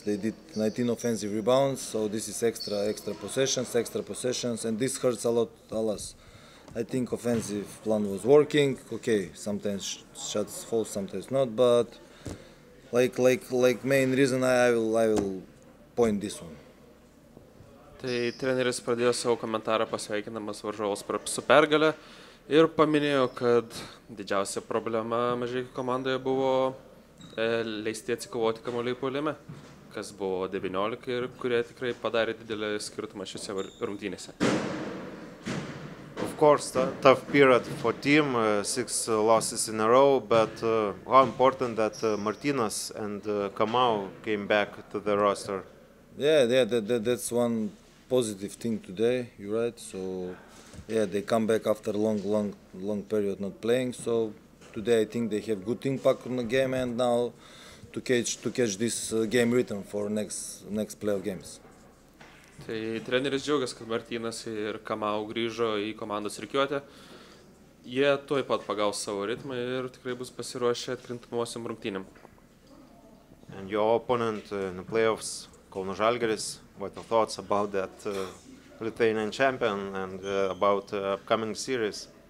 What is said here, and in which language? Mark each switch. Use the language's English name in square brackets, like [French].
[English] They did 19 offensive rebounds. So this is extra possessions, and this hurts a lot to us. I think offensive plan was working. Okay, sometimes shots fall, sometimes not. But like main reason, I will point this one. [Lithuanian] Tai treneris pradėjo savo komentarą pasveikinamas varžovus su pergale ir paminėjo, kad didžiausia problema Mažeikių komandoje buvo leisti atsikovoti kamuolį puolime, kas buvo 19 ir kurie tikrai padarė didelį skirtumą šiose rungtynėse. [English] Of course, tough period for team, 6 losses in a row, but how important that Martinas and Kamau came back to the roster. Yeah, that's one positive thing today, you're right. So yeah, they come back after long period not playing. So today I think they have good impact on the game, and now to catch this game rhythm for next playoff games. [Lithuanian] Tai treneris džiaugiasi, kad Martinas ir Kamau grįžo į komandos rikiuotę. Jie tuoj pat pagaus savo ritmą ir tikrai bus pasiruošę atkrintamosiom rungtynėm. [English] And your opponent in the playoffs, Kauno Žalgiris. What your thoughts about that Lithuanian champion and about upcoming series?